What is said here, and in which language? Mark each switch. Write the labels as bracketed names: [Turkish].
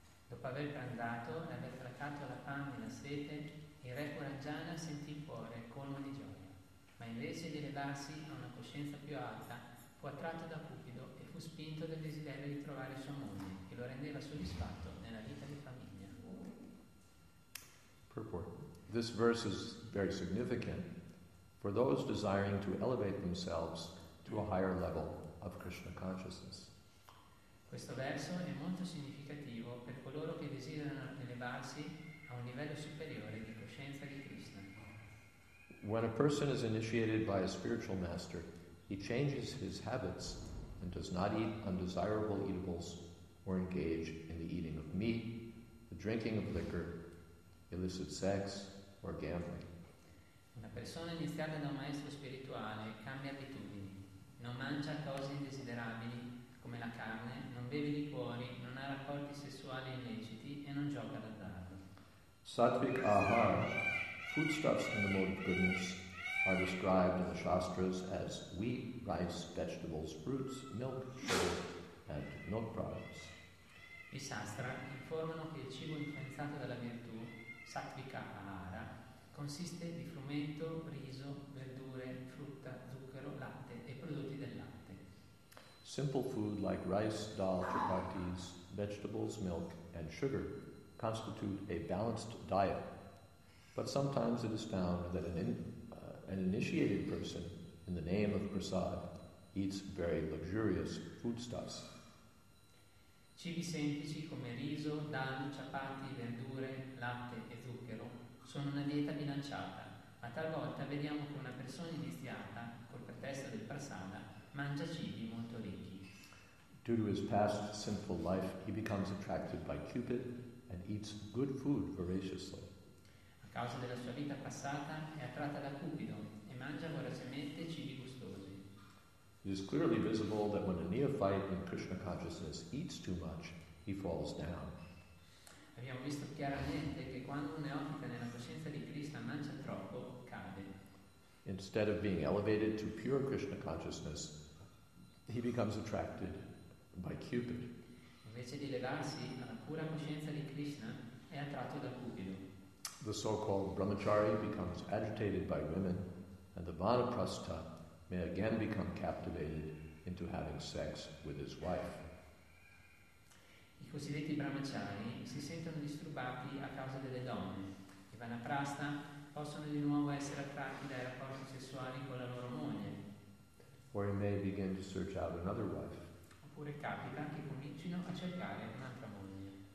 [Italian] Dopo aver pranzato e aver trattato la fame e la sete, il re Puranjana sentì il cuore colmo di gioia, ma invece di elevarsi a una coscienza più alta, fu attratto da Cupido e fu spinto dal desiderio di trovare sua moglie, che lo rendeva soddisfatto nella vita di famiglia. [English] Purport. This verse is very significant for those desiring to elevate themselves to a higher level of Krishna consciousness. [Italian] Questo verso è molto significativo per coloro che desiderano elevarsi a un livello superiore di coscienza di Krishna. [English] When a person is initiated by a spiritual master, he changes his habits and does not eat undesirable eatables or engage in the eating of meat, the drinking of liquor, illicit sex, or gambling. [Italian] Una persona iniziata da un maestro spirituale cambia abitudini. Non mangia cose indesiderabili come la carne, non beve liquori, non ha rapporti sessuali illeciti e non gioca d'azzardo. [English] Sattvic ahar, foodstuffs in the mode of goodness, are described in the Shastras as wheat, rice, vegetables, fruits, milk, sugar, and milk products. [Italian] I Shastra informano che il cibo influenzato dalla virtù, sattvic ahara, consiste di frumento, riso, verdure, frutta, zucchero, latte e prodotti del latte. [English] Simple food like rice, dal, chapatis, vegetables, milk, and sugar constitute a balanced diet. But sometimes it is found that an initiated person, in the name of prasad, eats very luxurious foodstuffs. [Italian] Cibi semplici come riso, dal, chapati, verdure, latte e zucchero sono una dieta bilanciata, ma talvolta vediamo che una persona iniziata, col pretesto del prasada, mangia cibi molto ricchi. [English] Due to his past sinful life, he becomes attracted by Cupid and eats good food voraciously. [Italian] A causa della sua vita passata, è attratta da Cupido e mangia voracemente cibi gustosi. [English] It is clearly visible that when a neophyte in Krishna consciousness eats too much, he falls down. [Italian] Abbiamo visto chiaramente che quando un neofita nella coscienza di Krishna mangia troppo, cade. [English] Instead of being elevated to pure Krishna consciousness, he becomes attracted by Cupid. [Italian] Invece di elevarsi alla pura coscienza di Krishna, è attratto da Cupido. [English] The so-called brahmachari becomes agitated by women, and the vanaprastha may again become captivated into having sex with his wife. [Italian] I cosiddetti brahmachari si sentono disturbati a causa delle donne. I vanaprastha possono di nuovo essere attratti dai rapporti sessuali con la loro moglie. [English] Or he may begin to search out another wife. [Italian] Oppure capita che comincino a cercare un'altra moglie.